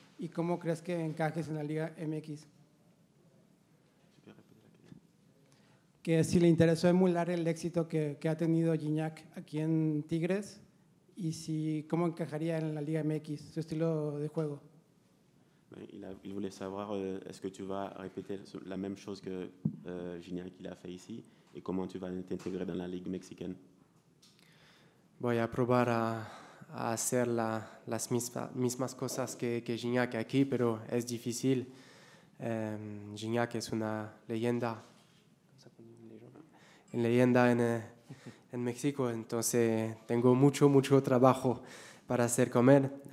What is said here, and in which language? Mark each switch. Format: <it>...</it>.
<es>¿Y cómo crees que encajes en la Liga MX? Que si le interesó emular el éxito que ha tenido Guiñag aquí en Tigres, y si cómo encajaría en la Liga MX, su estilo de juego.</es> <fr>Il voulait savoir est-ce que tu vas répéter la même chose que Guiñag a fait ici, et comment tu vas t'intégrer dans la Ligue mexicaine.</fr> <es>Voy a probar a hacer las mismas cosas que Guiñag aquí, pero es difícil. Guiñag es una leyenda. En leyenda en México, entonces tengo mucho, mucho trabajo para hacer con él.</es>